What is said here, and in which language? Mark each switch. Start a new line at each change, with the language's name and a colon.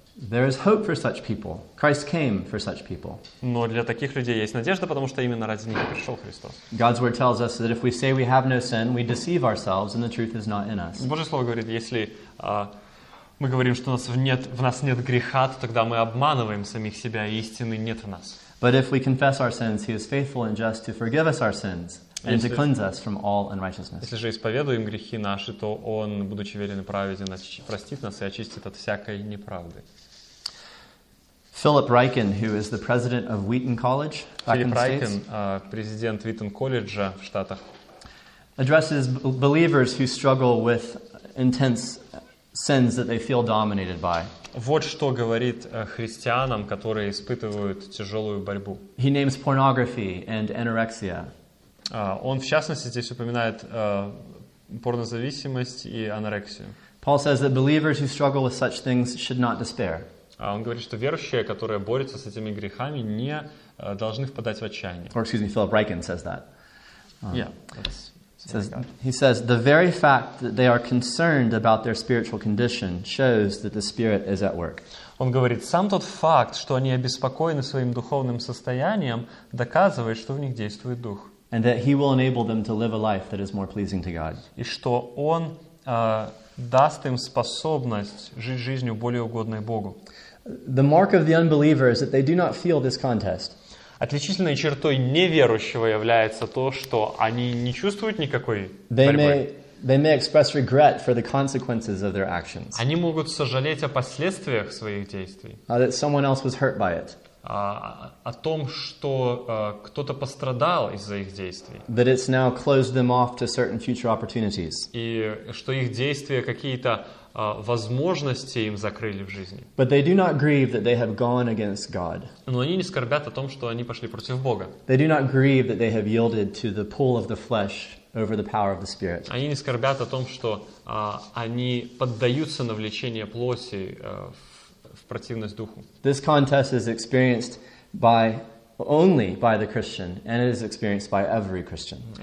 English: There is hope for such people. Christ came for such people.
Russian: Но для таких людей есть надежда, потому что именно ради них пришел Христос.
English: God's word tells us that if we say we have no sin, we deceive ourselves, and the truth is not in us.
Russian: Божье слово говорит, если мы говорим, что в нас нет греха, то тогда мы обманываем самих себя, и истины нет в нас.
English: But if we confess our sins, he is faithful and just to forgive us our sins and to cleanse us from all unrighteousness.
Russian: Если же исповедуем грехи наши, то он, будучи верен и праведен, простит нас и очистит от всякой неправды.
English: Philip Ryken, who is the president of Wheaton College,
Russian: президент Wheaton College в Штатах,
English: addresses believers who struggle with intense sins that they feel dominated by.
Russian: Вот что говорит христианам, которые испытывают тяжелую борьбу.
English: He names pornography and anorexia.
Russian: Он, в частности, здесь упоминает порнозависимость и анорексию.
English: Paul says that believers who struggle with such things should not despair.
Russian: Он говорит, что верующие, которые борются с этими грехами, не должны впадать в отчаяние.
English: Or, excuse me, Philip Ryken says that. Yeah, that's... He says, the very fact that they are concerned about their spiritual condition shows that the Spirit is at work.
Russian: Он говорит, сам тот факт, что они обеспокоены своим духовным состоянием, доказывает, что в них действует Дух.
English: And that he will enable them to live a life that is more pleasing to God.
Russian: И что он даст им способность жить жизнью более угодной Богу.
English: The mark of the unbeliever is that they do not feel this contest.
Russian: Отличительной чертой неверующего является то, что они не чувствуют никакой борьбы.
English: They may express regret for the consequences of their actions.
Russian: Они могут сожалеть о последствиях своих действий.
English: That someone else was hurt by it.
Russian: О том, что кто-то пострадал из-за их действий.
English: That it's now closed them off to certain future opportunities.
Russian: И что их действия какие-то возможности им закрыли в жизни.
English: But they do not grieve that they have gone against God.
Russian: Но они не скорбят о том, что они пошли против Бога.
English: They do not grieve that they have yielded to the pull of the flesh over the power of the Spirit.
Russian: Они не скорбят о том, что они поддаются на влечение плоти в противность духу.
English: This contest is experienced by only by the Christian, and it is experienced by every Christian.